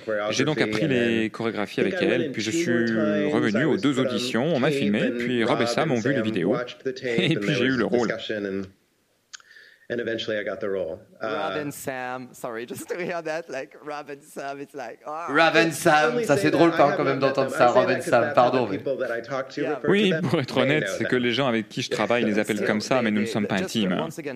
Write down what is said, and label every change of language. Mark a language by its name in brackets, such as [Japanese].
[French] J'ai donc appris les chorégraphies avec elle, puis je suis revenu aux deux auditions, on m'a filmé, puis Rob et Sam ont vu les vidéos, et puis j'ai eu le rôle. [English] And eventually I got the role. Rob and Sam, sorry, just to hear that, like Rob and Sam, it's like... Oh. [French] Rob and Sam, ça c'est drôle quand même d'entendre ça, Rob and Sam, pardon. Oui, pour être honnête, c'est que les gens avec qui je travaille les appellent comme ça, mais nous ne sommes pas intimes.